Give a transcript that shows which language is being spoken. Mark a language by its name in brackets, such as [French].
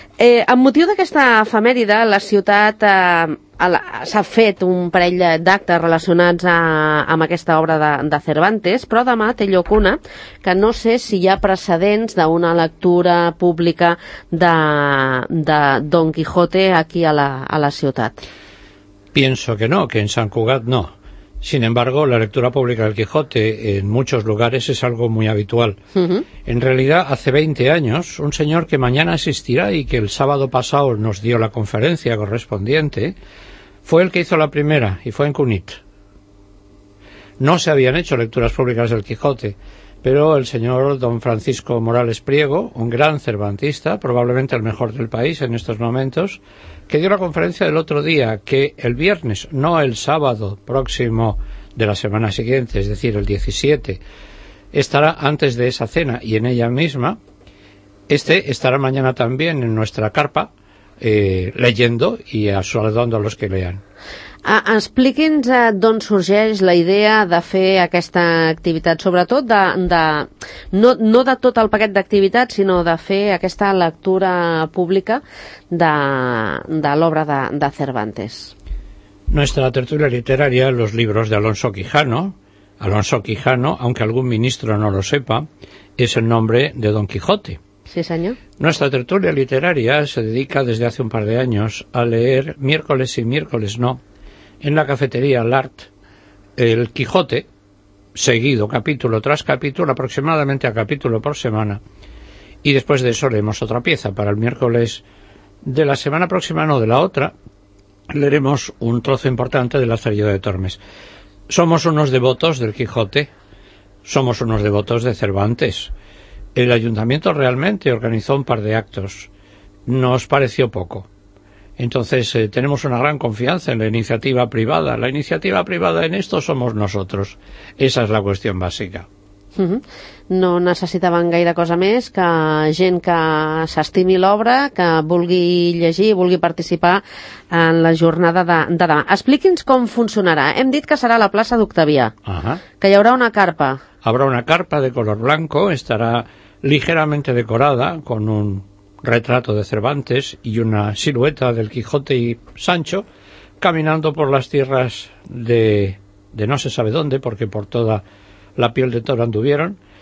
[Catalan] Amb motiu d'aquesta efemèride, la ciutat s'ha fet un parell d'actes relacionats amb aquesta obra de Cervantes, però demà té lloc una que no sé si hi ha precedents d'una lectura pública de Don Quijote aquí a la ciutat. [Spanish] Pienso que no, que en Sant Cugat no. Sin embargo, la lectura pública del Quijote en muchos lugares es algo muy habitual. En realidad, hace 20 años, un señor que mañana asistirá y que el sábado pasado nos dio la conferencia correspondiente, fue el que hizo la primera, y fue en Cunit. No se habían hecho lecturas públicas del Quijote, pero el señor don Francisco Morales Priego, un gran cervantista, probablemente el mejor del país en estos momentos, que dio la conferencia del otro día, que el viernes, no el sábado próximo de la semana siguiente, es decir, el 17, estará antes de esa cena y en ella misma. Este estará mañana también en nuestra carpa, leyendo y saludando a los que lean. [Catalan] Expliqui'ns d'on sorgeix la idea de fer aquesta activitat, sobretot no de tot el paquet d'activitats, sinó de fer aquesta lectura pública de l'obra de Cervantes. [Spanish] Nuestra tertulia literaria, Los Libros de Alonso Quijano. Alonso Quijano, aunque algún ministro no lo sepa, es el nombre de Don Quijote. Sí, señor. Nuestra tertulia literaria se dedica desde hace un par de años a leer miércoles y miércoles no, en la cafetería L'Art, el Quijote, seguido capítulo tras capítulo, aproximadamente a capítulo por semana, y después de eso leemos otra pieza. Para el miércoles de la semana próxima, no de la otra, leeremos un trozo importante de Lazarillo de Tormes. Somos unos devotos del Quijote, somos unos devotos de Cervantes. El ayuntamiento realmente organizó un par de actos, nos pareció poco. Entonces, tenemos una gran confianza en la iniciativa privada. La iniciativa privada en esto somos nosotros. Esa es la cuestión básica. [Catalan] No necessitaven gaire cosa més que gent que s'estimi l'obra, que vulgui llegir, vulgui participar en la jornada de demà. Expliqui'ns com funcionarà. Hem dit que serà la plaça d'Octavià, que hi haurà una carpa. [Spanish] Habrá una carpa de color blanco, estará ligeramente decorada con un retrato de Cervantes y una silueta del Quijote y Sancho caminando por las tierras de no se sabe dónde, porque por toda la piel de toro anduvieron.